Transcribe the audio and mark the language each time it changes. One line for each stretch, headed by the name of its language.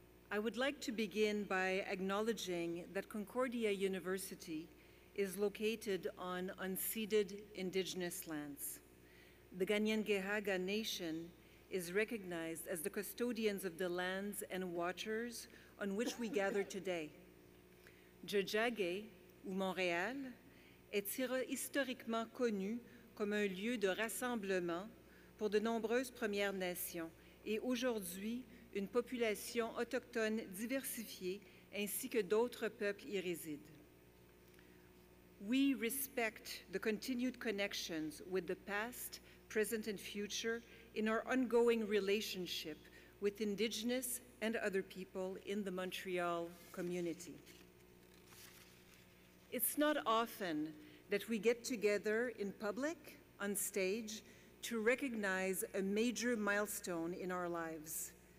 English: I would like to begin by acknowledging that Concordia University is located on unceded Indigenous lands. The Ganyangehaga Nation is recognized as the custodians of the lands and waters on which we gather today.
French: Jajage, ou Montréal, est historiquement connu comme un lieu de rassemblement pour de nombreuses Premières Nations et aujourd'hui une population autochtone diversifiée ainsi que d'autres peuples y résident.
English: We respect the continued connections with the past, present and future in our ongoing relationship with Indigenous and other people in the Montreal community. It's not often that we get together in public, on stage, to recognize a major milestone in our lives.